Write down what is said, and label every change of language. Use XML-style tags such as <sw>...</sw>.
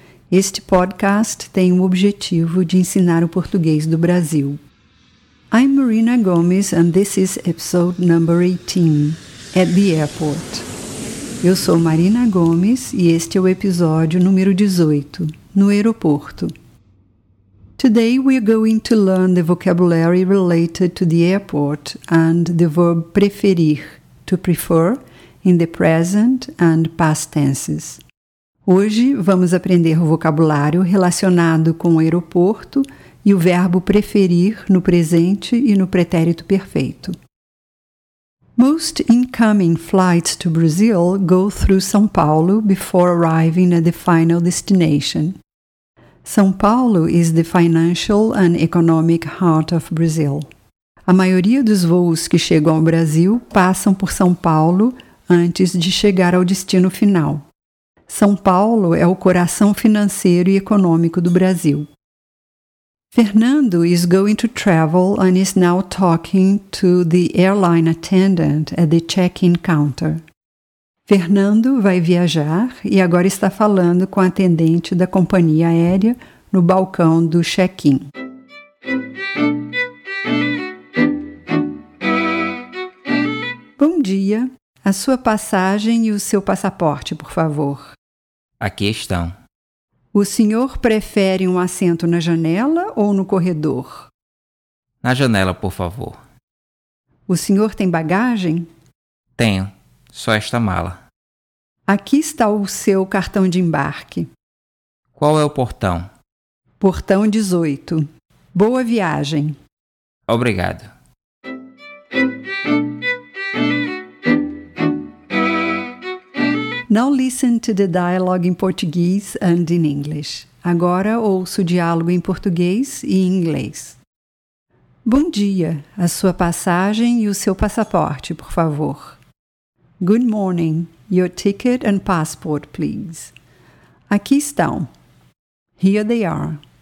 <pt>Este podcast tem o objetivo de ensinar o português do Brasil.</pt> <en>I'm Marina Gomes and this is episode number 18, at the airport.</en> <pt>Eu sou Marina Gomes e este é o episódio número 18, no aeroporto.</pt> <en>Today we are going to learn the vocabulary related to the airport and the verb preferir, to prefer, in the present and past tenses.</en> <pt>Hoje vamos aprender o vocabulário relacionado com o aeroporto e o verbo preferir no presente e no pretérito perfeito.</pt> <en>Most incoming flights to Brazil go through São Paulo before arriving at the final destination. São Paulo is the financial and economic heart of Brazil.</en> <pt>A maioria dos voos que chegam ao Brasil passam por São Paulo antes de chegar ao destino final. São Paulo é o coração financeiro e econômico do Brasil.</pt> <en>Fernando is going to travel and is now talking to the airline attendant at the check-in counter.</en> <pt>Fernando vai viajar e agora está falando com a atendente da companhia aérea no balcão do check-in. Bom dia. A sua passagem e o seu passaporte, por favor. Aqui estão. O senhor prefere um assento na janela ou no corredor? Na janela, por favor. O senhor tem bagagem? Tenho. Só esta mala. Aqui está o seu cartão de embarque. Qual é o portão? Portão 18. Boa viagem. Obrigado.</pt> <en>Now listen to the dialogue in Portuguese and in English.</en> <pt>Agora ouça o diálogo em português e em inglês. Bom dia. A sua passagem e o seu passaporte, por favor.</pt> <en>Good morning. Your ticket and passport, please.</en> <pt>Aqui estão.</pt> <en>Here they are.</en>